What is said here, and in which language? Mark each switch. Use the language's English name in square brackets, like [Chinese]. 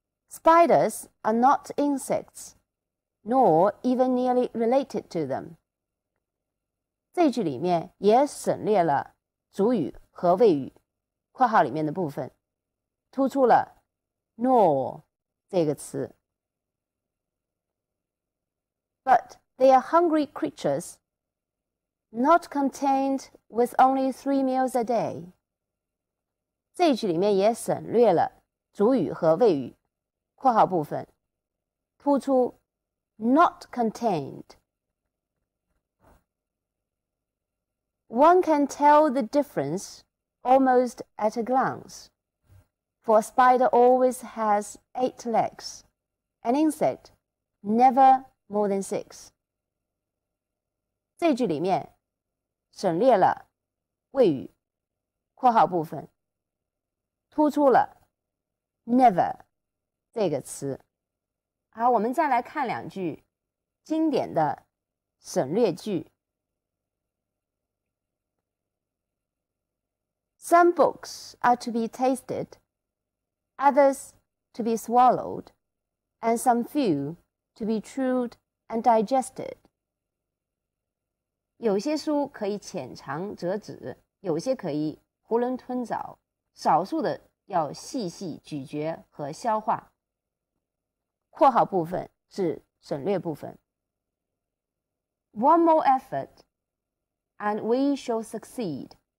[English] Spiders are not insects, nor even nearly related to them. [Chinese] 这句里面也省略了主语和谓语，括号里面的部分，突出了 nor 这个词。 [English] But they are hungry creatures, not content with only 3 meals a day. [Chinese] 这句里面也省略了主语和谓语。括号部分，突出 [English] not contained. One can tell the difference almost at a glance, for a spider always has 8 legs, an insect never more than 6. [Chinese] 这句里面省略了谓语，括号部分，突出了 never. 这个词。好，我们再来看两句经典的省略句。 [English] Some books are to be tasted, others to be swallowed, and some few to be chewed and digested. [Chinese] 有些书可以浅尝辄止，有些可以囫囵吞枣，少数的要细细咀嚼和消化。括号部分是省略部分。 [English] One more effort, and we shall succeed.